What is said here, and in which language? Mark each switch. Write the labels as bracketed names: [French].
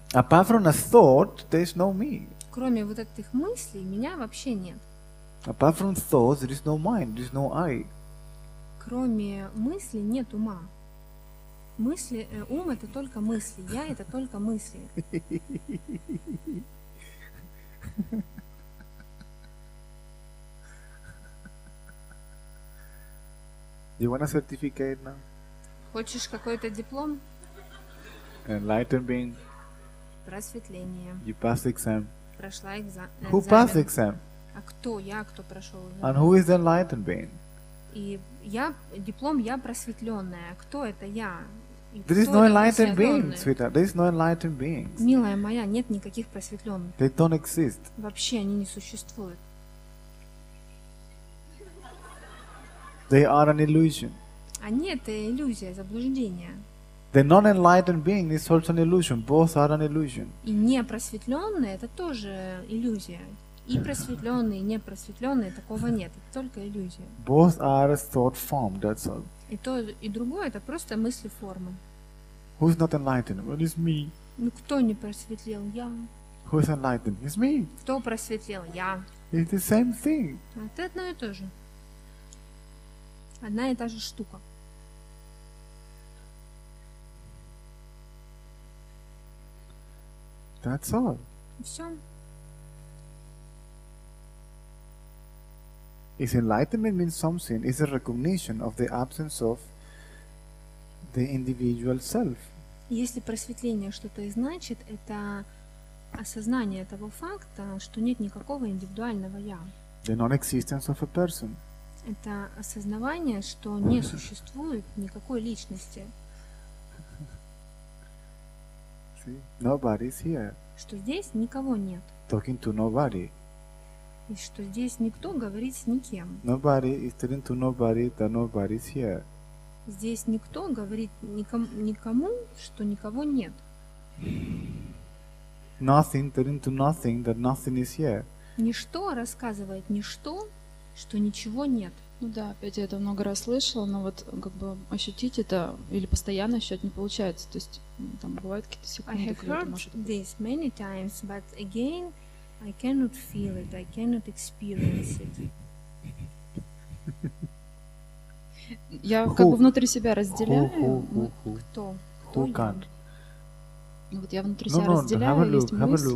[English] Apart from a thought, there is no me. [Russian] Кроме вот этих мыслей, меня вообще нет. [English] Apart from thoughts, there is no mind, there is no I. [Russian] Кроме мыслей нет ума. Мысли, ум это только мысли, я это только мысли. [English] You want a certificate now? [Russian] Хочешь какой-то диплом? [English] Enlightened being. [Russian] Просветление. [English] You passed the exam. [Russian] Прошла экзамен. [English] Who passed the exam? [Russian] А кто я, кто прошел? [English] And who is the enlightened being? [Russian] И я диплом, я просветленная. Кто это я? [English] There is no enlightened being, sweetheart. There is no enlightened beings. [Russian] Милая моя, нет никаких просветленных. [English] They don't exist. [Russian] Вообще они не существуют. [English] They are an illusion. [Russian] Они это иллюзия, заблуждение. [English] The non-enlightened being is also an illusion. Both are an illusion. [Russian] И непросветленные это тоже иллюзия. И просветленные, и непросветленные такого нет. Это только иллюзия. [English] Both are a thought form. That's all. [Russian] И то и другое это просто мысли формы. [English] Who's not enlightened? Well, it's me. [Russian] Ну кто не просветлел? Я. [English] Who's enlightened? It's me. [Russian] Кто просветлел? Я. [English] It's the same thing. [Russian] Это одно и то же. Одна и та же штука. [English] That's all. [Russian] Все. [English] Is enlightenment means something? Is a recognition of the absence of the individual self. [Russian] Если просветление что-то и значит, это осознание того факта, что нет никакого индивидуального я. [English] The non-existence of a person. [Russian] Это осознавание, что не существует никакой личности. [English] See? Nobody's here. [Russian] Что здесь никого нет. [English] Talking to nobody. [Russian] И что здесь никто говорит с никем. [English] Nobody is telling to nobody that nobody's here. [Russian] Здесь никто говорит никому, что никого нет. [English] Nothing telling to nothing that nothing is here. [Russian] Ничто рассказывает ничто, что ничего нет. Ну да, опять я это много раз слышала, но вот как бы ощутить это или постоянно ощущать не получается. То есть там бывают какие-то секунды. [English] I have heard this many times, but again, I cannot feel it, I cannot experience it. [Russian] Я как бы внутри себя разделяю. Кто? [English] Who can't? [Russian] Ну вот я внутри себя разделяю, есть мысли.